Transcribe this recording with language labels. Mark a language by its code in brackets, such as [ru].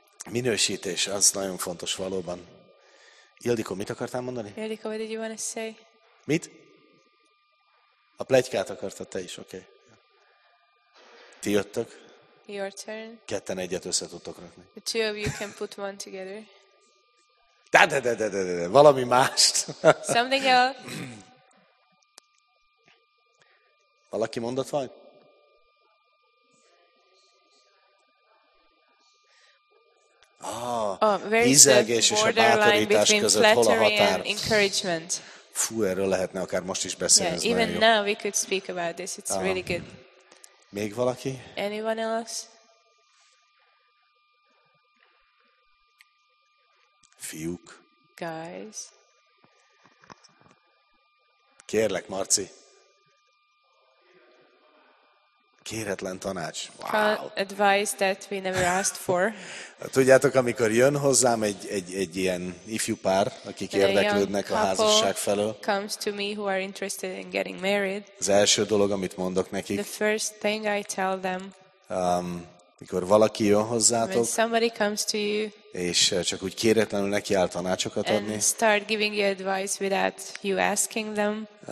[hu] Minősítés, az nagyon fontos valóban. Ildikó, mit akartál mondani? [en] Ildikó, what did you want to say? [hu] Mit? A pletykát akartad te is, oké. Ti jöttök? [en] Your turn. [hu] Ketten egyet össze tudtok rakni. [en] The two of you can put one together. [hu] De, valami mást. [en] Something else. [hu] Valaki mondott valamit? Ízelgés és a bátorítás között hol a határ? Fú, erről lehetne akár most is beszélni. [en] Yeah, even now we could speak about this. It's really good. [hu] Még valaki? [en] Anyone else? [hu] Fiúk. [en] Guys. [hu] Kérlek, Marci. Kéretlen tanács. Wow. [en] Advice that we never asked for. [hu] Tudjátok, amikor jön hozzám egy ilyen ifjú pár, akik érdeklődnek a házasság felől. [en] Comes to me who are interested in getting married. [hu] Az első dolog, amit mondok nekik. [en] The first thing I tell them. [hu] Mikor valaki jön hozzátok. [en] When somebody comes to you. [hu] És csak úgy kéretlenül neki áll tanácsokat adni. [en] And start giving you advice without you asking them.